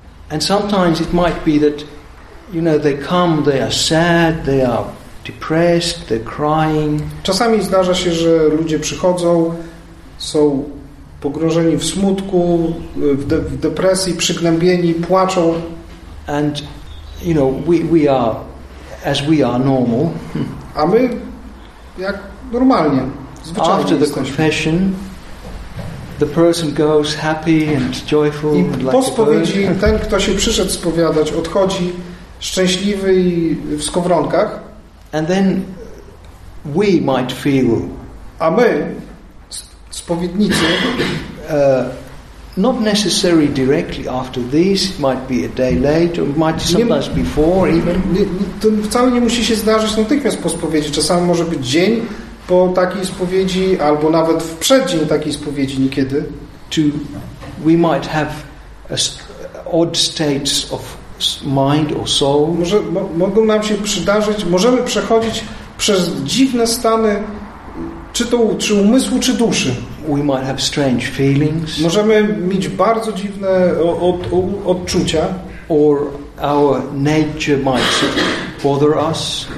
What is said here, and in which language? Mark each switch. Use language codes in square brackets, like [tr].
[en] And sometimes it might be that, you know, they come, they are sad, they are depressed, they're crying. [pl] Czasami zdarza się, że ludzie przychodzą, są pogrążeni w smutku, w depresji, przygnębieni, płaczą. [en] And, you know, we are, as we are normal. [pl] A my jak normalnie, zwyczajnie [en] after the confession, the person goes happy and joyful. [pl] I po spowiedzi ten, kto się przyszedł spowiadać, odchodzi szczęśliwy i w skowronkach. [en] And then we might feel. [pl] A my, spowiednicy, [en] not necessarily directly after this, it might be a day late, or might sometimes before even. [pl] To wcale nie musi się zdarzyć natychmiast po spowiedzi. Czasami może być dzień po takiej spowiedzi, albo nawet w przeddzień takiej spowiedzi niekiedy. [en] To we might have odd states of mind or soul. [pl] Mogą nam się przydarzyć, możemy przechodzić przez dziwne stany, czy umysłu, czy duszy. [en] We might have strange feelings. [pl] Możemy mieć bardzo dziwne odczucia. [en] Or our nature might bother us.